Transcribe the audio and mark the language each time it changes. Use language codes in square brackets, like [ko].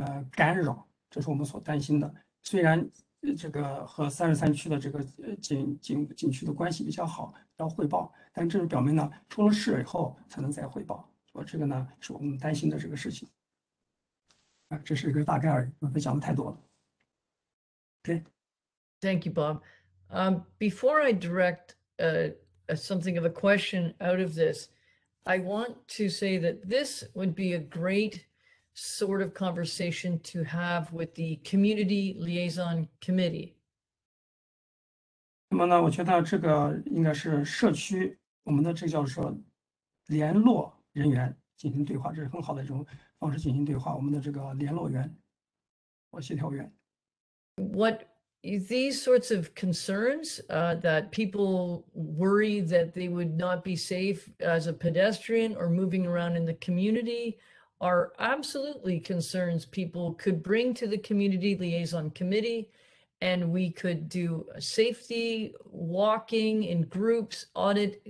[zh] 干扰，这是我们所担心的。虽然这个和33区的这个景区的关系比较好，要汇报，但这是表明呢出了事以后才能再汇报，我这个呢是我们担心的这个事情。啊，这是一个大概而已，我们讲的太多了。 [en] Thank you, Bob. Before I direct something of a question out of this, I want to say that this would be a great sort of conversation to have with the Community Liaison Committee. [zh] 那么呢，我觉得这个应该是社区我们的这叫做联络人员进行对话，这是很好的一种方式进行对话。我们的这个联络员或协调员。 [en] What these sorts of concerns that people worry that they would not be safe as a pedestrian or moving around in the community are absolutely concerns people could bring to the Community Liaison Committee, and we could do safety walking in groups audit.